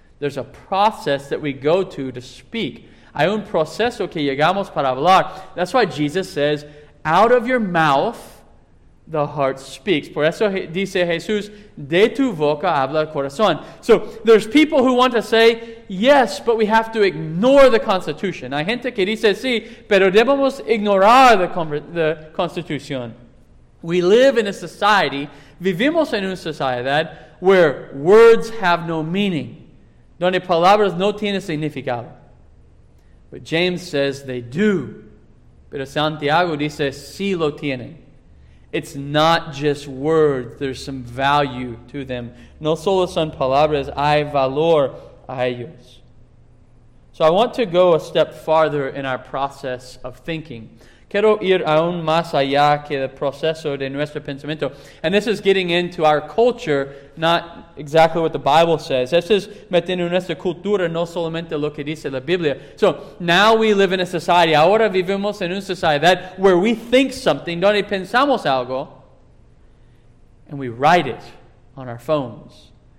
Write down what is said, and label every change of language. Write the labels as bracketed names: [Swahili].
[English] There's a process that we go to speak. [Spanish] Hay un proceso que llegamos para hablar. [English] That's why Jesus says, out of your mouth, the heart speaks. [Spanish] Por eso dice Jesús, de tu boca habla el corazón. [English] So, there's people who want to say, yes, but we have to ignore the Constitution. [Spanish] Hay gente que dice, sí, pero debemos ignorar the Constitución. [English] We live in a society, [Spanish] vivimos en una sociedad, [English] where words have no meaning. [Spanish] Donde palabras no tienen significado. [English] But James says they do. [Spanish] Pero Santiago dice, sí lo tienen. [English] It's not just words. There's some value to them. [Spanish] No solo son palabras. Hay valor a ellos. [English] So I want to go a step farther in our process of thinking. [Spanish] Quiero ir aún más allá que el proceso de nuestro pensamiento. [English] And this is getting into our culture, not exactly what the Bible says. This is [Spanish] metiendo nuestra cultura, no solamente lo que dice la Biblia. [English] So, now we live in a society, [Spanish] ahora vivimos en una sociedad [English] where we think something, [Spanish] donde pensamos algo, [English] and we write it on our phones.